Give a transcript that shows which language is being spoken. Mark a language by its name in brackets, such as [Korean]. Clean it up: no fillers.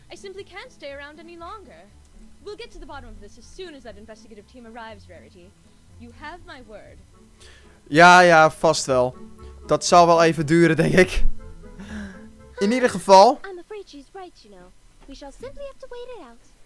[English] I simply can't stay around any longer. We'll get to the bottom of this as soon as that investigative team arrives, Rarity. You have my word. [Dutch] Ja, ja, vast wel. Dat zal wel even duren, denk ik. In ieder geval. [English] I'm afraid she's right, you know. We shall simply have to wait it out.